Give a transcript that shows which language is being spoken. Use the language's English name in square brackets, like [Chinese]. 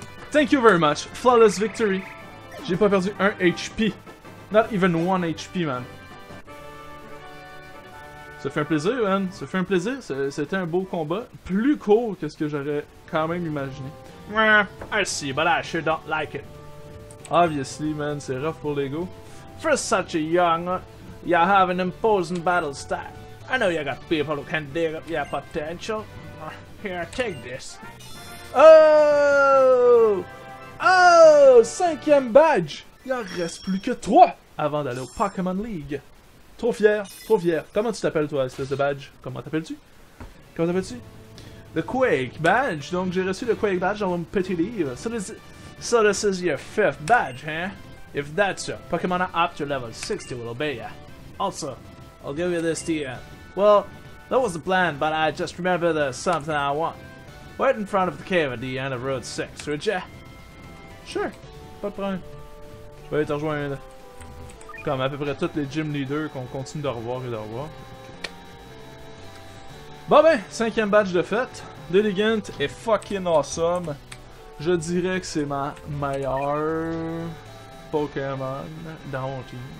[English] Thank you very much, flawless victory. [French] J'ai pas perdu un HP. [English] Not even one HP, man. [French] Ça fait un plaisir, man. Ça fait un plaisir. C'était un beau combat. Plus court que ce que j'aurais quand même imaginé. [English] I see, but I sure don't like it. Obviously, man, [French] c'est rough pour l'ego. [English] For such a young, you have an imposing battle style. I know you got people who can dig up your potential. Here, take this. Oh! Oh! [French] Cinquième badge! Il en reste plus que 3 avant d'aller au Pokémon League. Trop fier, trop fier. Comment tu t'appelles toi, espèce de badge? Comment t'appelles-tu? [English] The Quake Badge. [French] Donc j'ai reçu le Quake Badge dans mon petit livre. [English] So this is your fifth badge, hein? If that's your Pokemon up to level 60 will obey ya. Also, I'll give you this to you. Well, that was the plan, but I just remember there's something I want. Right in front of the cave at the end of Road 6, would ya? [French] Sure, pas de problème. Je vais te rejoindre. Comme à peu près tous les gym leaders qu'on continue de revoir et de revoir. Bon ben, cinquième badge de fête. Diligent est [English] fucking awesome. [French] Je dirais que c'est ma meilleure Pokémon dans mon team.